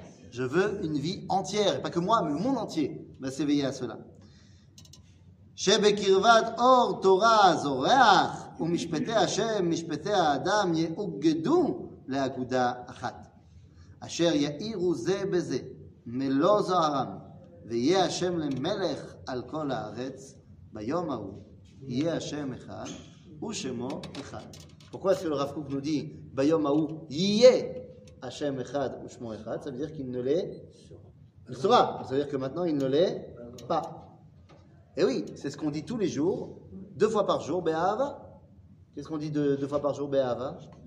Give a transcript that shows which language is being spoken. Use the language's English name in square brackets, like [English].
[French] Je veux une vie entière, pas que moi, mais le monde entier va s'éveiller à cela. [Hebrew] שבקרבת אור תורה זורח ומשפטי השם משפטי האדם יאוגדו לאגודה אחת אשר יאירו זה בזה מלוא זוהרם ויהיה השם למלך על כל הארץ ביום ההוא יהיה השם אחד ושמו אחד. [French] Pourquoi est-ce que le Rav Kook nous dit [Hebrew] ביום ההוא יהיה השם אחד ושמו אחד? [French] Ça veut dire qu'il ne l'est pas. Ça veut dire que maintenant il ne l'est pas. Et oui, c'est ce qu'on dit tous les jours, deux fois par jour, Be'ahava. Qu'est-ce qu'on dit deux fois par jour, Be'ahava?